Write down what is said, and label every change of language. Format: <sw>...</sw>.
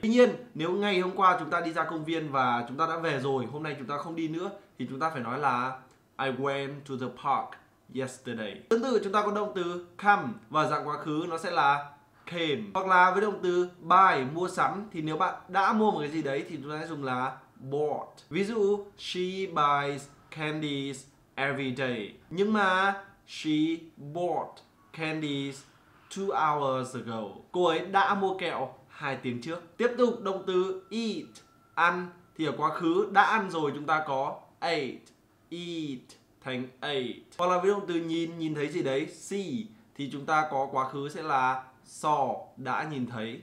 <vi>Tuy nhiên nếu ngày hôm qua chúng ta đi ra công viên và chúng ta đã về rồi, hôm nay chúng ta không đi nữa, thì chúng ta phải nói là</vi> <en>I went to the park yesterday.</en> <vi>Tương tự chúng ta có động từ come và dạng quá khứ nó sẽ là came. Hoặc là với động từ buy, mua sắm, thì nếu bạn đã mua một cái gì đấy thì chúng ta sẽ dùng là bought. Ví dụ</vi> <en>she buys candies every day,</en> <vi>nhưng mà</vi> <en>she bought candies 2 hours ago.</en> <vi>Cô ấy đã mua kẹo 2 tiếng trước. Tiếp tục động từ eat, ăn, thì ở quá khứ đã ăn rồi chúng ta có ate, eat thành ate. Hoặc là với động từ nhìn, nhìn thấy gì đấy, see, thì chúng ta có quá khứ sẽ là saw, đã nhìn thấy.</vi>